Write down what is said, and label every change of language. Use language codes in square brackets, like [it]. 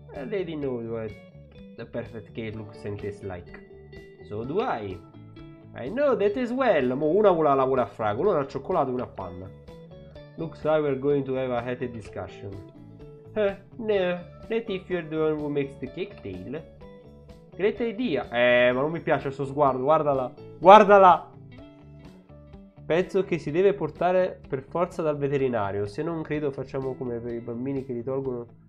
[en] Lady knows what the perfect cake looks and tastes like. So do I. I know that as well. [it] Mo una vuole lavorare a fragola, una al cioccolato e una a panna. [en] Looks like we're going to have a heated discussion. No, not if you're the one who makes the cake tail. Great idea. [it] Ma non mi piace il suo sguardo, guardala. Guardala! Penso che si deve portare per forza dal veterinario. Se non credo, facciamo come per i bambini che li tolgono.